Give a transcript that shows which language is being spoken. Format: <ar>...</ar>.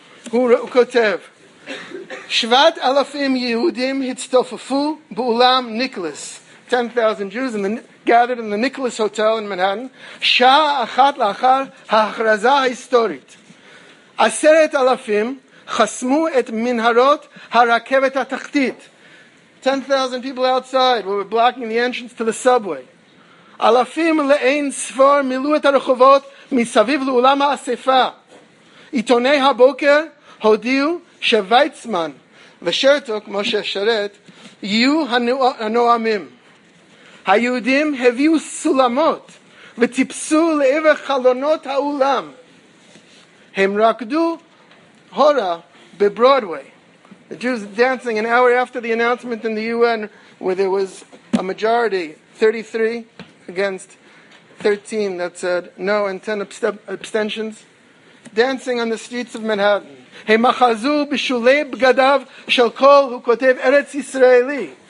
<he>הוא כותב, 7,000 יהודים הצטופפו באולם ניקולס,</he> <en>10,000 Jews gathered in the Nicholas Hotel in Manhattan,</en> <he>שעה אחת לאחר ההכרזה ההיסטורית. 10,000 חסמו את מנהרות הרכבת התחתית.</he> <en>10,000 people outside were blocking the entrance to the subway.</en> <he>אלפים לאין ספור מילאו את הרחובות מסביב לאולם האספה. עיתוני הבוקר הודיעו שוויצמן ושרתו, כמו ששרת, יהיו הנועמים. היהודים הביאו סולמות וטיפסו לעבר חלונות האולם. הם רקדו הורה בברודווי.</he> <en>The Jews dancing an hour after the announcement in the UN where there was a majority, 33 against 13, that said no and 10 abstentions, dancing on the streets of Manhattan.</en> <he>הם אחזו בשולי בגדיו של כל, הוא כותב, ארץ ישראלי.</he>